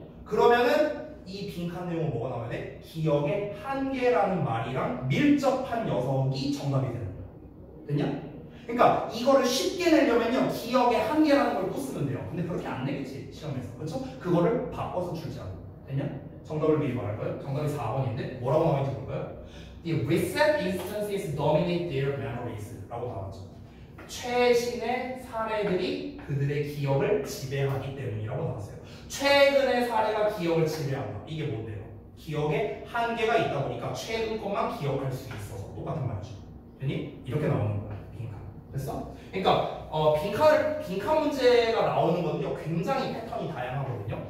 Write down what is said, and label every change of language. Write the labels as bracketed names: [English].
[Korean] 그러면은 이 빈칸 내용은 뭐가 나와야 돼? 기억의 한계라는 말이랑 밀접한 녀석이 정답이 되는 거야. 됐냐? 그러니까 이거를 쉽게 내려면요, 기억의 한계라는 걸 붙으면 돼요. 근데 그렇게 안 내겠지. 시험에서. 그렇죠? 그거를 바꿔서 출제하고. 됐냐? 정답을 미리 말할 거예요. 정답이 4번인데 뭐라고 나와 있는 거예요? [English] The recent instances dominate their memories [Korean] 라고 나왔죠. 최신의 사례들이 그들의 기억을 지배하기 때문이라고 나왔어요. 최근의 사례가 기억을 지배한다. 이게 뭔데요? 기억에 한계가 있다 보니까 최근 것만 기억할 수 있어서 똑같은 말이죠. 괜히 이렇게 나오는 거야. 빈칸. 됐어? 그러니까 빈칸 문제가 나오는 거는요 굉장히 패턴이 다양하거든요.